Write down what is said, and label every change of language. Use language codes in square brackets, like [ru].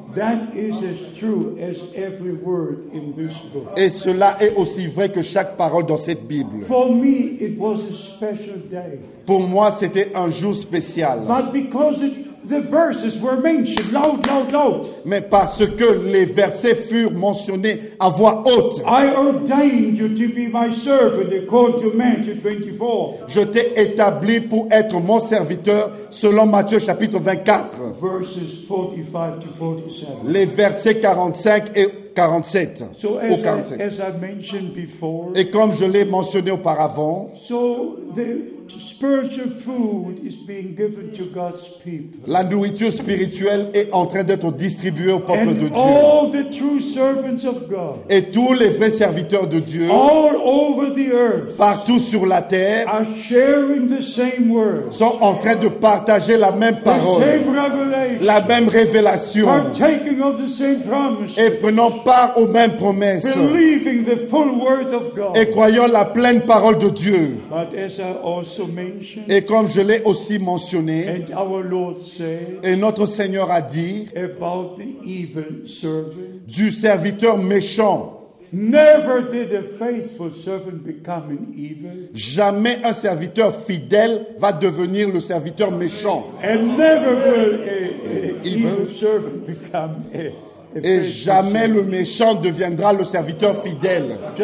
[en] That is as true as every word in this book. [fr] Et cela est aussi vrai que chaque parole dans cette Bible. [en] For me, it was a special day. [fr] Pour moi, c'était un jour spécial. [en] But because the verses were mentioned loud, loud, loud. [fr] Mais parce que les versets furent mentionnés à voix haute. [en] I ordained you to be my servant according to Matthew 24. [fr] Je t'ai établi pour être mon serviteur selon Matthieu chapitre 24. [en] Verses 45 to 47. [fr] Les versets 45 et 47. [en] So [fr] au 47. [en] As I mentioned before. [fr] Et comme je l'ai mentionné auparavant. [en] So the spiritual food is being given to God's people. [fr] La nourriture spirituelle est en train d'être distribuée au peuple [en] and [fr] de Dieu. [en] All the true servants of God, [fr] et tous les vrais serviteurs de Dieu, [en] all over the earth, [fr] partout sur la terre, [en] are sharing the same word, [fr] sont en train de partager la même parole, [en] the same revelation, [fr] la même révélation, [en] partaking of the same promises, [fr] et prenant part aux mêmes promesses, [en] believing the full word of God, [fr] et croyant la pleine parole de Dieu. [en] But as I also [fr] et comme je l'ai aussi mentionné, [en] and our Lord said, [fr] et notre Seigneur a dit [en] about the evil servant, [fr] du serviteur méchant, [en] never did a faithful servant become an evil, [fr] jamais un serviteur fidèle va devenir le serviteur méchant, [en] and never will an evil servant become an evil. [fr] Et jamais le méchant deviendra le serviteur fidèle.